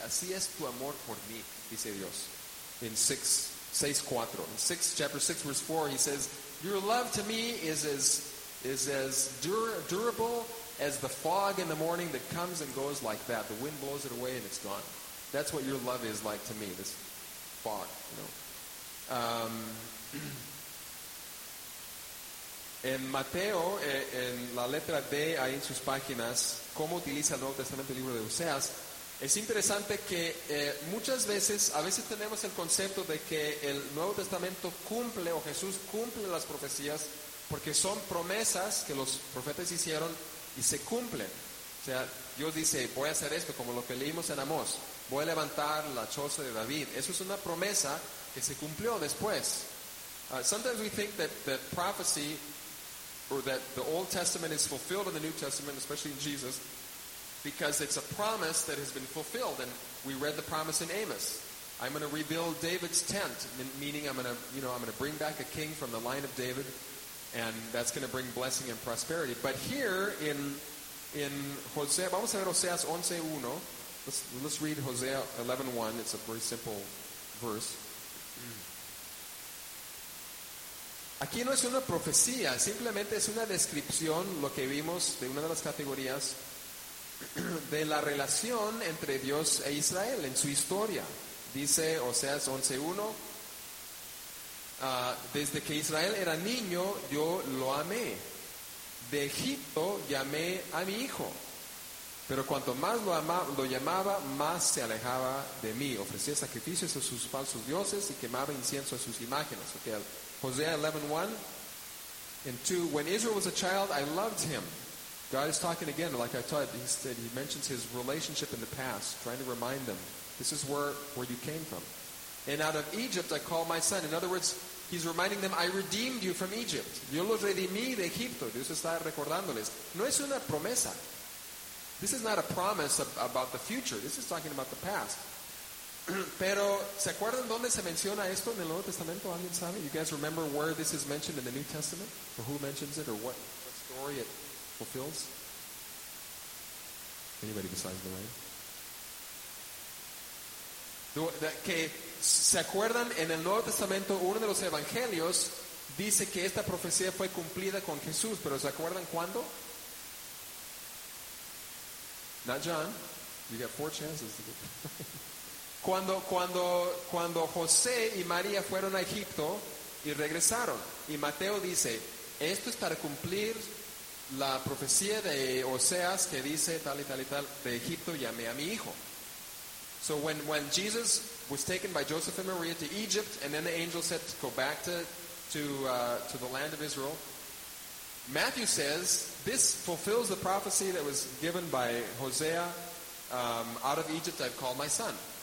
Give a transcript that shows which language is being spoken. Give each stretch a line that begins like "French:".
Spanish: Así es tu amor por mí, dice Dios.
English: In 6:4. In chapter 6, verse 4, he says, your love to me is as durable as the fog in the morning that comes and goes like that. The wind blows it away and it's gone. That's what your love is like to me, this fog, you know.
Spanish: En Mateo, en la letra D, ahí en sus páginas, cómo utiliza el Nuevo Testamento, el libro de Oseas, es interesante que muchas veces, a veces tenemos el concepto de que el Nuevo Testamento cumple, o Jesús cumple las profecías, porque son promesas que los profetas hicieron y se cumplen. O sea, Dios dice, voy a hacer esto, como lo que leímos en Amós, voy a levantar la choza de David. Eso es una promesa que se cumplió después.
English: Sometimes we think that prophecy, or that the Old Testament is fulfilled in the New Testament, especially in Jesus, because it's a promise that has been fulfilled. And we read the promise in Amos. I'm going to rebuild David's tent, meaning I'm going to bring back a king from the line of David, and that's going to bring blessing and prosperity. But here in Hosea,
Spanish: vamos a ver Oseas 11:1.
English: Let's read Hosea 11:1. It's a very simple verse.
Spanish: Aquí no es una profecía, simplemente es una descripción, lo que vimos de una de las categorías, de la relación entre Dios e Israel en su historia. Dice Oseas 11:1, desde que Israel era niño, yo lo amé. De Egipto llamé a mi hijo, pero cuanto más lo llamaba, más se alejaba de mí. Ofrecía sacrificios a sus falsos dioses y quemaba incienso a sus imágenes. Okay.
English: Hosea 11:1-2, when Israel was a child, I loved him. God is talking again, like I thought. He said, he mentions his relationship in the past, trying to remind them, this is where you came from. And out of Egypt I called my son. In other words, he's reminding them, I redeemed you from Egypt.
Spanish: Yo los redimí de Egipto. Dios está recordándoles. No es una promesa.
English: This is not a promise about the future. This is talking about the past.
Spanish: Pero, ¿se acuerdan dónde se menciona esto en el Nuevo Testamento? ¿Alguien sabe?
English: You guys remember where this is mentioned in the New Testament? Or who mentions it? Or what story it fulfills? Anybody besides the rain?
Spanish: Que, ¿se acuerdan? En el Nuevo Testamento, uno de los evangelios dice que esta profecía fue cumplida con Jesús. ¿Pero se acuerdan cuándo?
English: Not John. You got 4 chances to get...
Spanish: Cuando José y María fueron a Egipto y regresaron, y Mateo dice, esto es para cumplir la profecía de Oseas que dice tal y tal y tal, de Egipto llamé a mi hijo.
English: So when Jesus was taken by Joseph and Maria to Egypt, and then the angel said to go back to the land of Israel, Matthew says, this fulfills the prophecy that was given by Hosea, out of Egypt I've called my son.